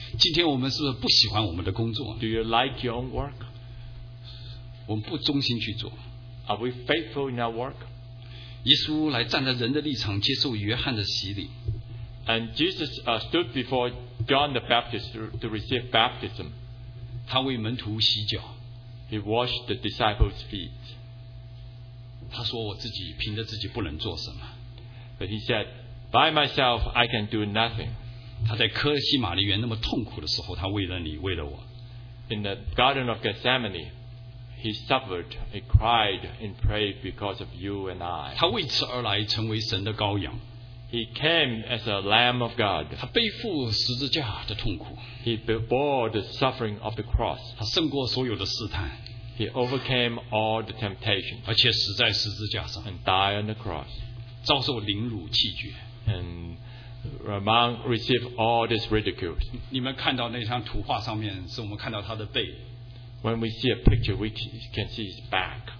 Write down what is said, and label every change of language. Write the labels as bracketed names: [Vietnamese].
[Chinese] 今天我们是不是不喜欢我们的工作 [English] ？Do you like your own work? [Chinese] 我们不忠心去做。 [English] Are we faithful in our work? [Chinese] 耶稣来站在人的立场接受约翰的洗礼。 [English] And Jesus stood before John the Baptist to receive baptism. [Chinese] 他为门徒洗脚。 [English] He washed the disciples' feet. [Chinese] 他说我自己凭着自己不能做什么。 [English] But he said, by myself, I can do nothing. [Chinese] 他在科西玛丽园那么痛苦的时候，他为了你，为了我。 [English] In the Garden of Gethsemane, he suffered, he cried and prayed because of you and I. [Chinese] 他为此而来，成为神的羔羊。 [English] He came as a Lamb of God. [Chinese] 他背负十字架的痛苦。 [English] He bore the suffering of the cross. [Chinese] 他胜过所有的试探。 [English] He overcame all the temptations. [Chinese] 而且死在十字架上。 [English] And died on the cross. [Chinese] 遭受凌辱弃绝。 [English] And among received all this ridicule. [Chinese] 你们看到那张图画上面，是我们看到他的背。 [English] When we see a picture, we can see his back.